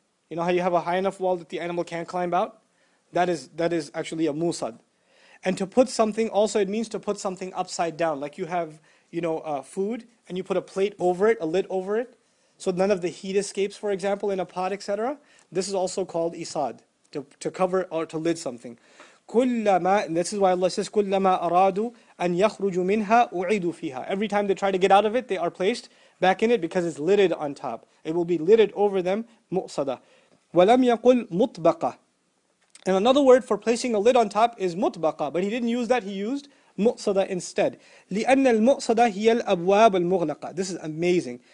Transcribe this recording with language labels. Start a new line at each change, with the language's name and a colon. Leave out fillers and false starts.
English: You know how you have a high enough wall that the animal can't climb out? That is actually a musad. And to put something, also it means to put something upside down. Like you have, you know, food, and you put a plate over it, a lid over it, so none of the heat escapes, for example, in a pot, etc. This is also called isad, to cover or to lid something.
Arabic: كُلَّمَا,
English: and this is why Allah says,
Arabic: كُلَّمَا أَرَادُوا أَن يَخْرُجُوا مِنْهَا أُعِيدُوا فِيهَا.
English: Every time they try to get out of it, they are placed back in it because it's lidded on top. It will be lidded over them, مُؤْصَدَة.
Arabic: وَلَمْ يَقُلْ مُطْبَقَة.
English: And another word for placing a lid on top is مُطْبَقَة. But he didn't use that, he used مُؤْصَدَة instead.
Arabic: لِأَنَّ الْمُؤْصَدَة هِيَ الْأَبْوَابُ الْمُغْلَقَة.
English: This is amazing.